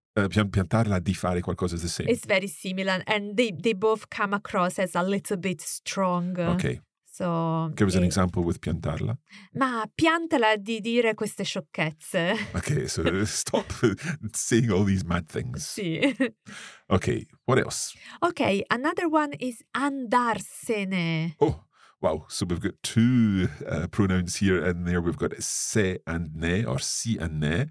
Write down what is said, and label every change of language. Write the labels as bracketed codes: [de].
[it] Piantarla di fare qualcosa [en] is the same. It's very similar, and they both come across as a little bit strong. Okay. So give us an example with piantarla. [it] Ma piantala di dire queste sciocchezze. [en] Okay, so stop saying all these mad things. Sì. Okay, what else? Okay, another one is andarsene. Oh, wow. So we've got two pronouns here and there. We've got se and ne, or si and ne.